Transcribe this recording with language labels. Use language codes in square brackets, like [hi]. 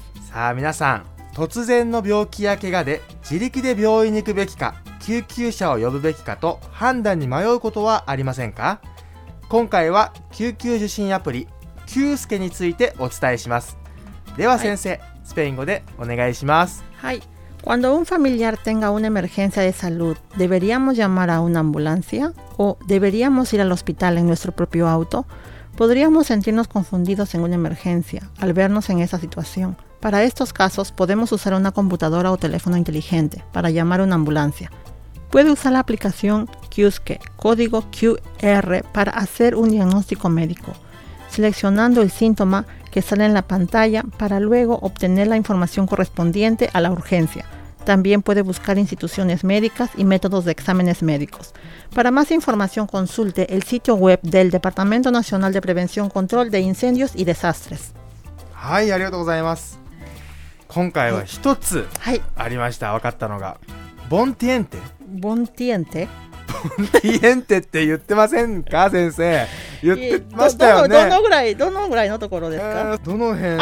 [ja] さあ皆さん、突然の病気や怪我で自力で病院に行くべきか、救急車を呼ぶべきかと判断に迷うことはありませんか？今回は救急受診アプリキュースケについてお伝えします。では先生、はい、スペイン語でお願いします。はい。 [es] Cuando un familiar tenga una emergencia de salud, deberíamos llamar a una ambulancia o deberíamos ir al hospital en nuestro propio auto? Podríamos sentirnos confundidos en una emergencia al vernos en esa situación. Para estos casos podemos usar una computadora o teléfono inteligente para llamar a una ambulancia. Puede usar la aplicación Qusque, código QR, para hacer un diagnóstico médico, seleccionando el síntoma que sale en la pantalla para luego obtener la información correspondiente a la urgencia. También puede buscar instituciones médicas y métodos de exámenes médicos. Para más información, consulte el sitio web del Departamento Nacional de Prevención y Control de Incendios y Desastres. [ja] はい、ありがとうございます。今回は一つありました、はい、分かったのがボンティエンテ。ボンティエンテ、ボンティエンテって言ってませんか先生？言ってましたよね。どのぐらいのところですか？どの辺？